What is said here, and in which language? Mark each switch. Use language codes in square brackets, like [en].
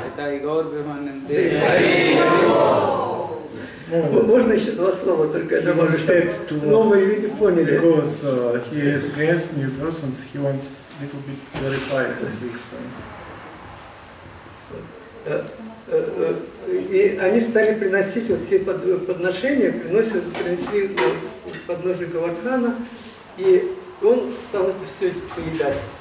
[ru] Итай Гаур Брахманнанде хари бол. Можно еще два слова только добавить? Новые люди поняли. [en] Because he is against new persons, he wants a little bit clarified at this time. [ru] И они стали приносить вот все подношения, принесли подножие Гавардхана, и он стал это все поедать.